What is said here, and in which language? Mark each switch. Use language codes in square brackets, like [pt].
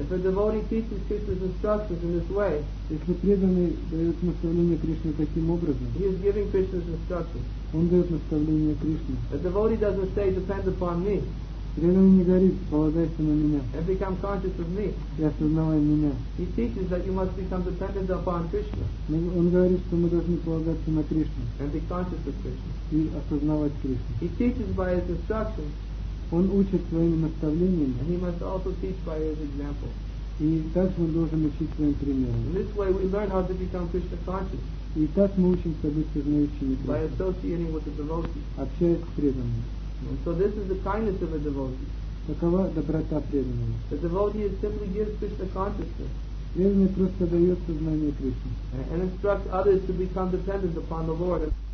[en] If a devotee teaches Krishna's instructions in this way, [ru] если преданный дает наставление Кришне таким образом, [en] he is giving Krishna's instructions. [ru] Он дает наставление Кришне. [en] A devotee doesn't say, depend upon me. [ru] Преданный не говорит, полагайся на меня. [en] And become conscious of me. [ru] И осознавай меня. [en] He teaches that you must become dependent upon Krishna. [ru] Он говорит, что мы должны полагаться на Кришну. [en] And be conscious of Krishna. [ru] И осознавать Кришну. [en] He teaches by his instructions. [ru] Он учит своими наставлениями. [en] And he must also teach by his example. [ru] И также он должен учить своим примером. [en] In this way we learn how to become Krishna conscious. [ru] И так мы учимся быть сознающими Кришну. [en] By associating with the devotee. [ru] Общаясь с преданным. [en] And so this is the kindness of a devotee. [ru] Такова доброта преданного. [en] A devotee simply gives Krishna consciousness. [ru] Преданный просто дает сознание Кришны. [en] And instructs others to become dependent upon the Lord.